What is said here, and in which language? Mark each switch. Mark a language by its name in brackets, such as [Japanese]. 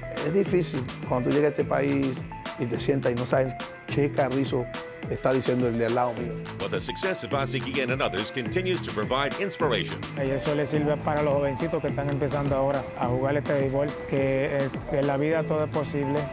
[Spanish] Es difícil cuando llega a este país y te sientas y no sabes qué carrizo está diciendo el de al lado mío. [English] But the success of Ozzie Guillen and others continues to provide inspiration. [Spanish] Y eso le sirve para los jovencitos que están empezando ahora a jugar este béisbol, que en la vida todo es posible.